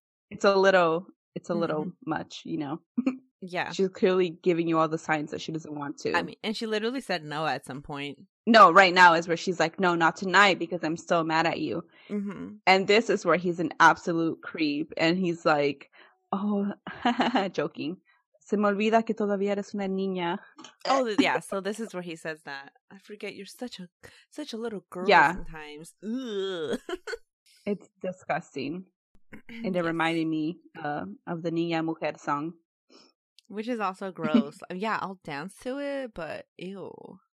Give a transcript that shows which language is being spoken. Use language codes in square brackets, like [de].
[en] It's a little much, you know. Yeah. She's clearly giving you all the signs that she doesn't want to. I mean, and she literally said no at some point. No, right now is where she's like, no, not tonight, because I'm still mad at you. Mm-hmm. And this is where he's an absolute creep. And he's like, oh, joking. [es] Se me olvida que todavía eres una niña. [en] Oh, yeah. So this is where he says that. I forget. You're such a little girl sometimes. Ugh. It's disgusting. And it reminded me of the Niña Mujer song. Which is also gross. Yeah, I'll dance to it, but ew.